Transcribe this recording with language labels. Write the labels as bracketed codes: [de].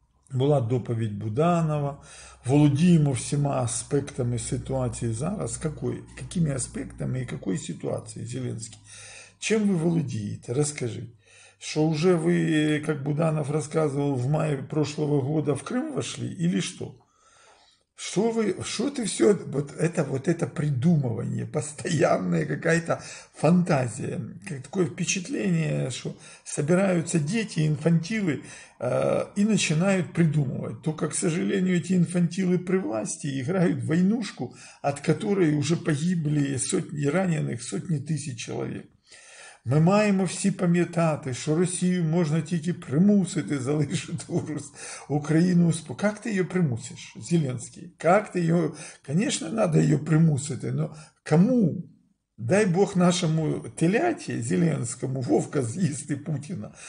[uk] Була доповідь Буданова, володіємо всіма аспектами ситуації зараз. Какой? Какими аспектами і якої ситуації, Зеленський? Чим ви володієте? Розкажіть. Що вже ви, як Буданов розказував, в маї [ru] прошлого года в Крим вошли, или что? Что вы, что ты все, вот это придумывание, постоянная какая-то фантазия, такое впечатление, что собираются дети, инфантилы, и начинают придумывать. Только, к сожалению, эти инфантилы при власти играют в войнушку, от которой уже погибли сотни раненых, сотни тысяч человек. [uk] Ми маємо всі пам'ятати, що Росію можна тільки примусити залишити Україну. Як ти її примусиш, Зеленський? Як ти її? Звісно, треба її примусити, але кому? Дай Бог нашому телятя Зеленському Вовка з'їсти Путіна.